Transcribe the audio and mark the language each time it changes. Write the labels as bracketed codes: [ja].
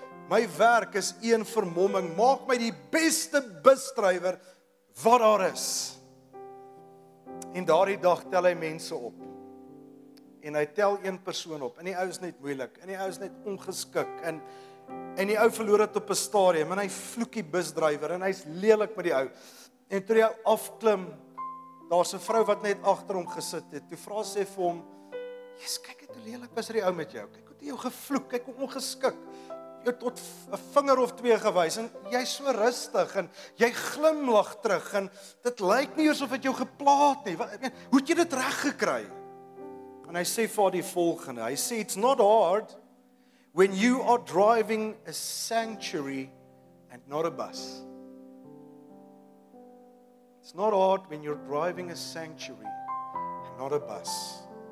[af] My werk is een vermomming. Maak my die beste busdrywer wat daar is. En daardie dag tel hy mense op. En hy tel een persoon op. En die ou is net moeilik. En die ou is net ongeskik. En die ou verloor het op 'n stadium en hy vloek die busdrywer en hy's lelik met die ou. En toe hy afklim, daar's 'n vrou wat net agter hom gesit het. Toe vra sy vir hom: "Jesus, kyk hoe lelik was hierdie ou met jou. Kyk hoe jy jou gevloek, kyk hoe ongeskik. Jy het tot 'n vinger of twee gewys en jy's so rustig en jy glimlag terug en dit lyk nie asof dit jou geplaag het nie. Hoe het jy dit reg gekry?" En hy sê vir haar die volgende. Hy sê: [en] "It's not hard when you are driving a sanctuary and not a bus. It's not hard when you're driving a sanctuary and not a bus.